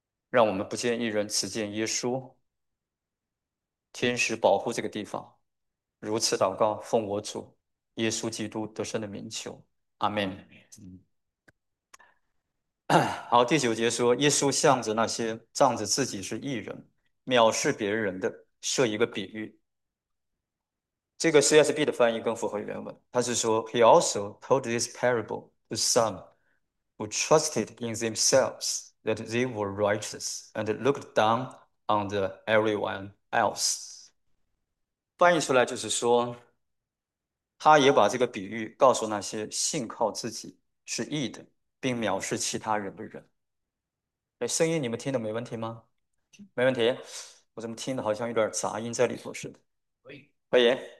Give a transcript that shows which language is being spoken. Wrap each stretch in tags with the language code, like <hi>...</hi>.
<zh>让我们不见一人，只见耶稣。天使保护这个地方，如此祷告，奉我主耶稣基督得胜的名求。阿门。好，第九节说，耶稣向着那些仗着自己是义人、藐视别人的，设一个比喻。这个 CSB 的翻译更符合原文，他是说，</zh> <en>He also told this parable to some who trusted in themselves that they were righteous and looked down on the everyone else。</en> <zh>翻译出来就是说。他也把这个比喻告诉那些信靠自己是义的，并藐视其他人的人。哎，声音你们听得没问题吗？没问题。我怎么听得好像有点杂音在里头似的？可以。</zh>